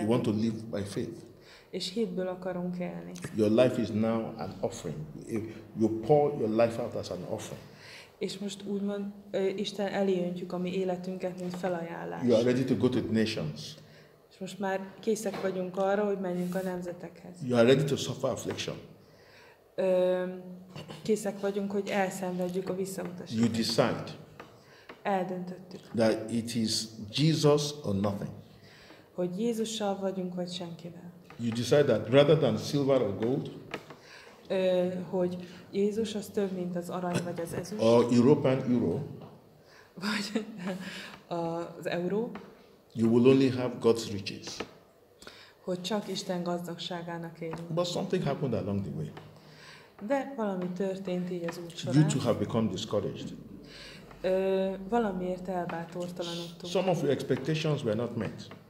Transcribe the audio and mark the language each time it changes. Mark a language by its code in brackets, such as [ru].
[en] You want to live by faith. [hu] És hitből akarunk élni. [en] Your life is now an offering. You pour your life out as an offering. [hu] És most úgymond Isten elé öntjük a mi életünket, mint felajánlás. [en] You are ready to go to the nations. [hu] És most már készek vagyunk arra, hogy menjünk a nemzetekhez. [en] You are ready to suffer affliction. [hu] Készek vagyunk, hogy elszenvedjük a visszautasítást. [en] You decide. [hu] Eldöntöttük. [en] That it is Jesus or nothing. [hu] Hogy Jézussal vagyunk, vagy senkivel. [en] You decide that rather than silver or gold. [hu] Hogy Jézus az több, mint az arany vagy az ezüst. [en] Or European euro. [hu] Vagy az euró. [en] You will only have God's riches. [hu] Hogy csak Isten gazdagságának élünk. [en] But something happened along the way. [hu] De valami történt így az út során. [en] You two have become discouraged. [hu] Valamiért elbátortalanodtunk. [en] Some of your expectations were not met.